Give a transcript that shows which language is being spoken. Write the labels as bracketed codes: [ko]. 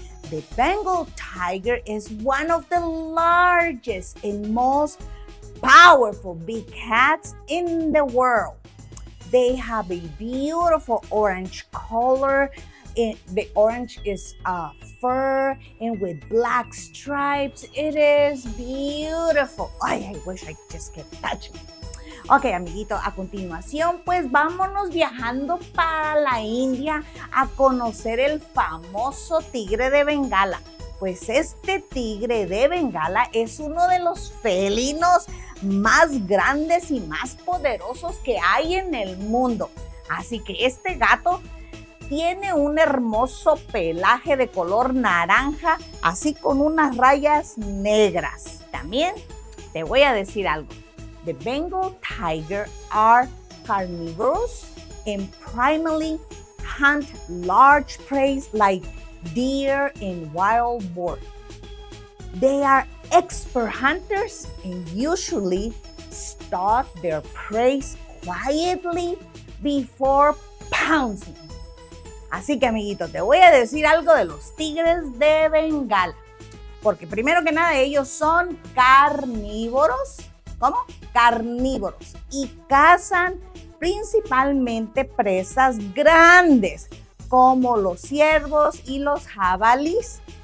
[en] The Bengal tiger is one of the largest and most powerful big cats in the world. They have a beautiful orange color. The orange is fur and with black stripes. It is beautiful. Ay, I wish I just could touch it. [es] Ok, amiguito, a continuación, pues vámonos viajando para la India a conocer el famoso tigre de Bengala. Pues este tigre de Bengala es uno de los felinos más grandes y más poderosos que hay en el mundo. Así que este gato tiene un hermoso pelaje de color naranja, así con unas rayas negras. También te voy a decir algo. [en] The Bengal tiger are carnivores and primarily hunt large prey like deer and wild boar. They are expert hunters and usually stalk their prey quietly before pouncing. [es] Así que, amiguito, te voy a decir algo de los tigres de Bengala. Porque primero que nada, ellos son carnívoros. ¿Cómo? Carnívoros. Y cazan principalmente presas grandes, como los ciervos y los jabalís.